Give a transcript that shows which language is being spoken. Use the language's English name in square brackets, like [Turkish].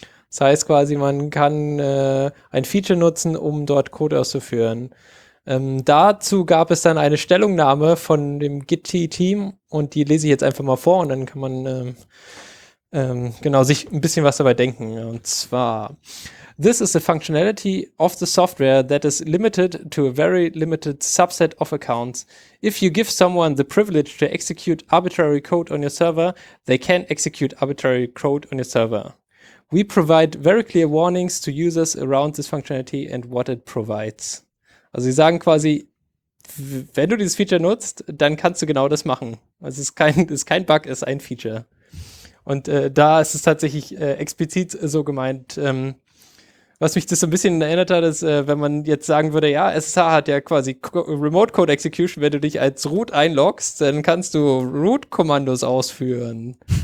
[German] Das heißt quasi, man kann ein Feature nutzen, um dort Code auszuführen. Dazu gab es dann eine Stellungnahme von dem GitT-Team und die lese ich jetzt einfach mal vor und dann kann man sich ein bisschen was dabei denken. Und zwar: [English] This is a functionality of the software that is limited to a very limited subset of accounts. If you give someone the privilege to execute arbitrary code on your server, they can execute arbitrary code on your server. We provide very clear warnings to users around this functionality and what it provides. [German] Also sie sagen quasi, wenn du dieses Feature nutzt, dann kannst du genau das machen. Also es ist kein Bug, es ist ein Feature. Und da ist es tatsächlich explizit so gemeint. was mich das so ein bisschen erinnert hat, ist, wenn man jetzt sagen würde, ja, SSH hat ja quasi Remote Code Execution, wenn du dich als Root einloggst, dann kannst du Root-Kommandos ausführen.